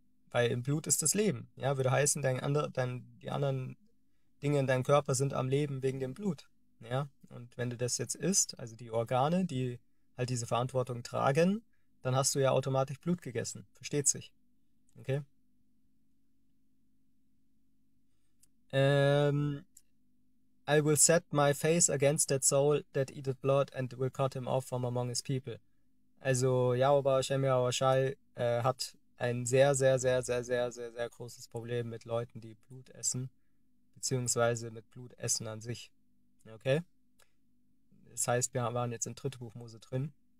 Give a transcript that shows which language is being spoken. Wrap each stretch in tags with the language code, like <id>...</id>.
<de>Weil im Blut ist das Leben, ja, würde heißen, die anderen Dinge in deinem Körper sind am Leben wegen dem Blut, ja. Und wenn du das jetzt isst, also die Organe, die halt diese Verantwortung tragen, dann hast du ja automatisch Blut gegessen, versteht sich, okay?</de> <en>I will set my face against that soul that eateth blood and will cut him off from among his people.</en> <de>Also Yahweh Shem Yahweh Shai hat ein sehr, sehr, sehr, sehr, sehr, sehr, sehr großes Problem mit Leuten, die Blut essen, beziehungsweise mit Blut essen an sich. Okay? Das heißt, wir waren jetzt im dritten Buch Mose drin.</de>